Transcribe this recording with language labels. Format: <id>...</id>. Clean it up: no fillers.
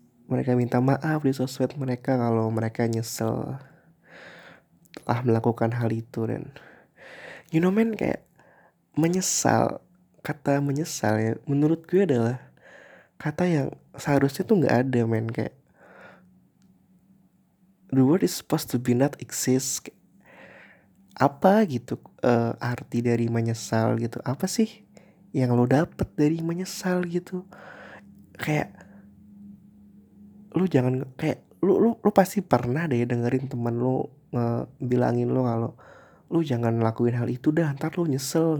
<id>Mereka minta maaf di sosmed mereka kalau mereka nyesel telah melakukan hal itu. Dan you know man, kayak menyesal, kata menyesal ya menurut gue adalah kata yang seharusnya tuh gak ada men. Kayak</id> <en>the word is supposed to be not exist.</en> <id>Apa gitu arti dari menyesal gitu? Apa sih yang lo dapet dari menyesal gitu? Kayak lu jangan, kayak lu pasti pernah deh dengerin temen lu bilangin lu kalau lu jangan lakuin hal itu dah, ntar lu nyesel.</id>